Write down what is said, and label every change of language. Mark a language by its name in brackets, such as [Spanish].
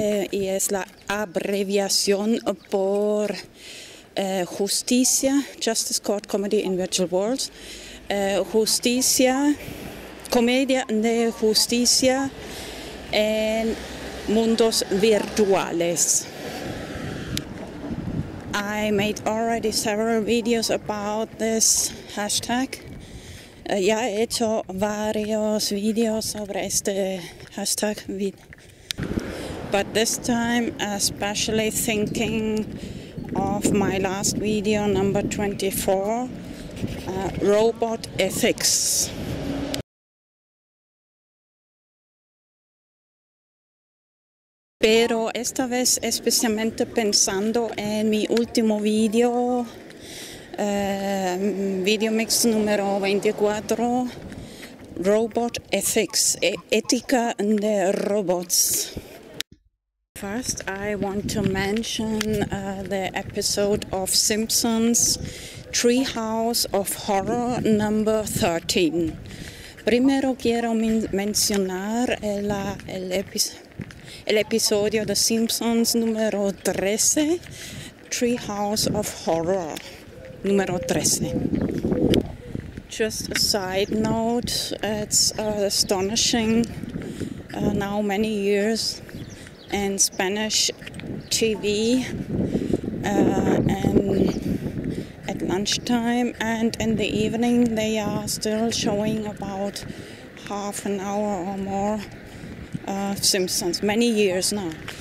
[Spanish] y es la abreviación por justicia, Justice Court Comedy in Virtual Worlds, justicia, comedia de justicia en mundos virtuales. [English] I made already several videos about this hashtag. [Spanish] Ya he hecho varios videos sobre este hashtag. [English] But this time, especially thinking of my last video, number 24, robot ethics. [Spanish] Pero esta vez especialmente pensando en mi último video, VideoMix número 24, Robot Ethics, ética de robots. [English] First, I want to mention the episode of Simpsons, Treehouse of Horror number 13. [Spanish] Primero quiero mencionar el episodio de Simpsons número 13, Treehouse of Horror, número 13. [English] Just a side note, it's astonishing now many years in Spanish TV and at lunchtime and in the evening they are still showing about half an hour or more Simpsons, many years now.